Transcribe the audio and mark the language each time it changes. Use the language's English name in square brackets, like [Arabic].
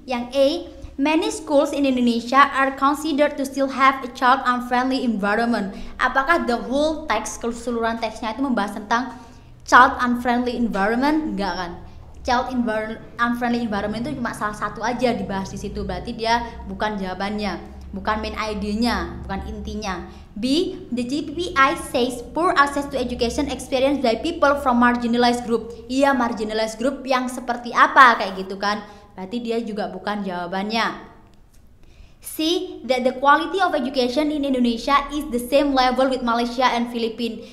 [Indonesian] Yang A, [English] many schools in Indonesia are considered to still have a child unfriendly environment. [Indonesian] Apakah [English] the whole text, [Indonesian] keseluruhan teksnya itu membahas tentang child unfriendly environment? Enggak kan. Child unfriendly environment itu cuma salah satu aja dibahas di situ. Berarti dia bukan jawabannya, bukan main idenya, bukan intinya. [English] B, the GPAI says poor access to education experienced by people from marginalized group. [Indonesian] Iya, marginalized group yang seperti apa kayak gitu kan. Berarti dia juga bukan jawabannya. [English] C, that the quality of education in Indonesia is the same level with Malaysia and Philippines.